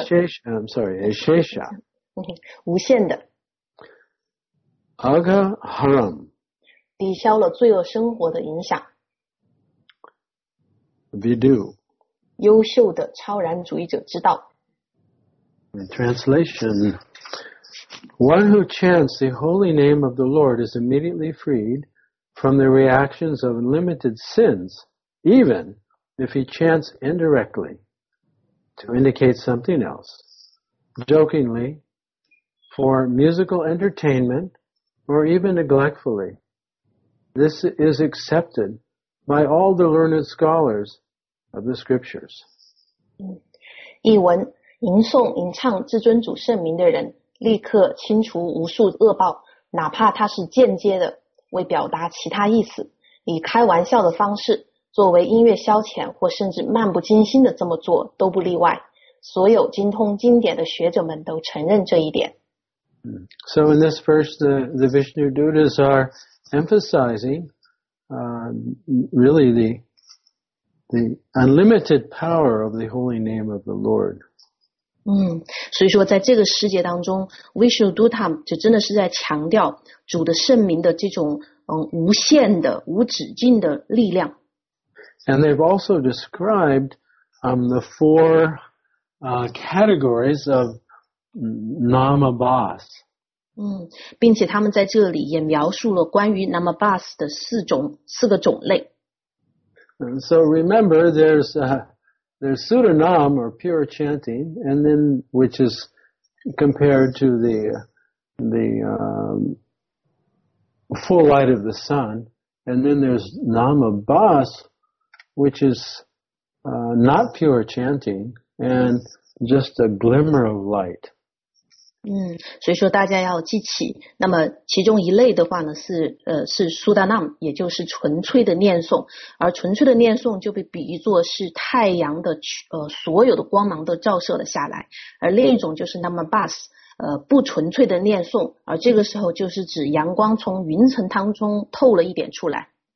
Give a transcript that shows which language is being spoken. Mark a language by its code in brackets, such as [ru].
[sa] Eshesha [zh] 无限的 [sa] Agaharam [zh] 抵消了罪恶生活的影响 [sa] Vidu [zh] 优秀的超然主义者之道 [en] Translation One who chants the holy name of the Lord is immediately freed from the reactions of unlimited sins, even if he chants indirectly to indicate something else, jokingly, for musical entertainment, or even neglectfully. This is accepted by all the learned scholars of the scriptures. [zh] 译文：吟诵、吟唱至尊主圣名的人，立刻清除无数恶报，哪怕他是间接的。为表达其他意思，以开玩笑的方式，作为音乐消遣，或甚至漫不经心的这么做都不例外。所有精通经典的学者们都承认这一点。 [en] So in this verse, the Vishnu Dutas are emphasizing, really the unlimited power of the holy name of the Lord. [zh] 所以说在这个世界当中 Vishnu Dutam 就真的是在强调主的圣名的这种无限的无止境的力量 [en] And they've also described the four categories of Namabhas [zh] 并且他们在这里也描述了关于 Namabhas 的四个种类 [en] So remember There's Sudanam, or pure chanting, and then which is compared to the full light of the sun. And then there's Namabhas, which is not pure chanting, and just a glimmer of light. [zh] 所以说大家要记起，那么其中一类的话呢是 Sudanam， 也就是纯粹的念诵，而纯粹的念诵就被比喻作是太阳的所有的光芒都照射了下来，而另一种就是 Namabhas， 不纯粹的念诵，而这个时候就是指阳光从云层当中透了一点出来。